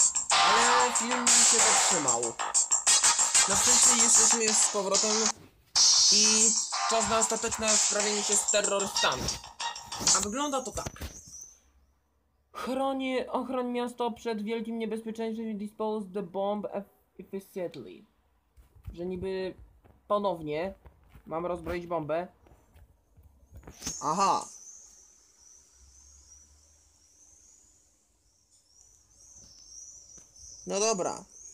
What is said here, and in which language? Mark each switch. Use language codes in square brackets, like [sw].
[pl] Ale film się zatrzymał. Na szczęście jesteśmy już z powrotem. I czas na ostateczne sprawienie się z terrorystami. A wygląda to tak. Ochroń miasto przed wielkim niebezpieczeństwem. [en] Dispose the bomb efficiently. [pl] Że niby ponownie mam rozbroić bombę. Aha. No dobra.